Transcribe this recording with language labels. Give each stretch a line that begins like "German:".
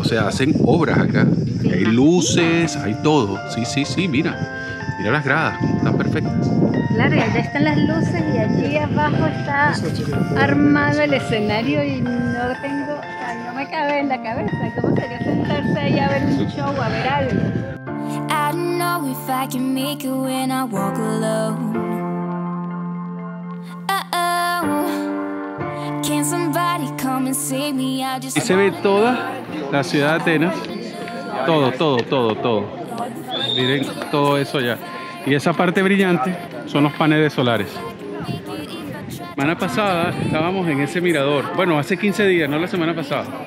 Spanish: O sea, hacen obras acá. Hay luces, hay todo. Sí, mira. Mira las gradas, están perfectas. Claro, y allá están las luces y allí abajo está armado el escenario y no tengo, o sea, no me cabe en la cabeza. ¿Cómo sería sentarse ahí a ver un show, a ver algo?
English: I don't know if I can make it when I walk alone. Oh, can somebody come and save me? I just.
Spanish: Y se ve toda la ciudad de Atenas. Todo. Miren todo eso ya. Y esa parte brillante son los paneles solares. Semana pasada estábamos en ese mirador. Bueno, hace 15 días, no la semana pasada.